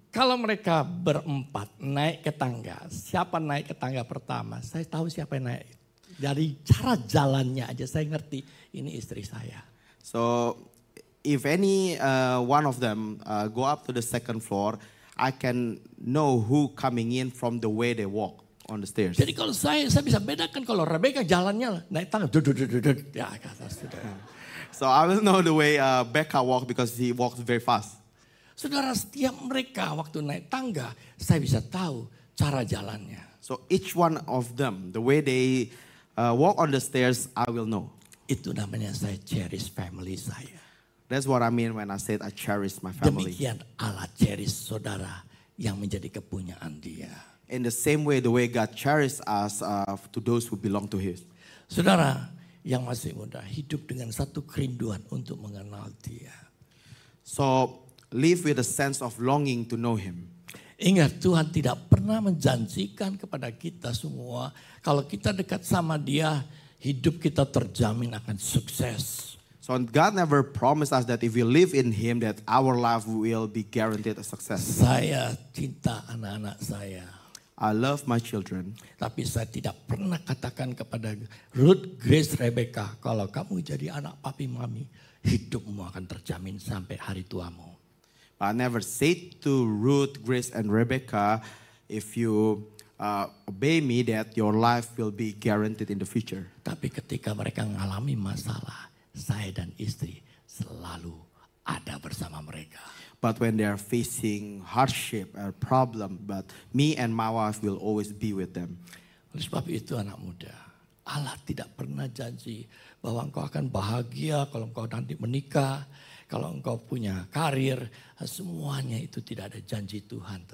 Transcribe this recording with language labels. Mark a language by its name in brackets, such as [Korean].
[Indonesian] Kalau mereka berempat naik ke tangga, siapa naik ke tangga pertama? Saya tahu siapa yang naik. Dari cara jalannya aja saya ngerti, ini istri saya. [English] So, if any one of them go up to the second floor, I can know who coming in from the way they walk on the stairs. [Indonesian] Jadi kalau saya bisa bedakan kalau Rebecca jalannya naik tangga, ya ke atas sudah. [English] So I will know the way Becca walk because he walks very fast. [Indonesian] Saudara, setiap mereka waktu naik tangga, saya bisa tahu cara jalannya. [English] So each one of them, the way they walk on the stairs, I will know. [Indonesian] Itu namanya saya cherish family saya. [English] That's what I mean when I said I cherish my family. [Indonesian] Demikian Allah cherish saudara yang menjadi kepunyaan dia. [English] In the same way, the way God cherish us to those who belong to His. [Indonesian] Saudara yang masih muda, hidup dengan satu kerinduan untuk mengenal dia. [English] So, live with a sense of longing to know Him. [Indonesian] Ingat, Tuhan tidak pernah menjanjikan kepada kita semua, kalau kita dekat sama dia, hidup kita terjamin akan sukses. [English] So God never promised us that if we live in Him, that our life will be guaranteed a success. [Indonesian] Saya cinta anak-anak saya. [English] I love my children. [Indonesian] Tapi saya tidak pernah katakan kepada Ruth, Grace, Rebecca, kalau kamu jadi anak papi mami, hidupmu akan terjamin sampai hari tuamu. [English] I never said to Ruth, Grace, and Rebecca, if you obey me, that your life will be guaranteed in the future. [Indonesian] Tapi ketika mereka mengalami masalah, saya dan istri selalu ada bersama mereka. [English] But when they are facing hardship or problem, but me and my wife will always be with them. [Indonesian] Oleh sebab itu anak muda, Allah tidak pernah janji bahwa engkau akan bahagia kalau engkau nanti menikah, kalau engkau punya karir, semuanya itu tidak ada janji Tuhan.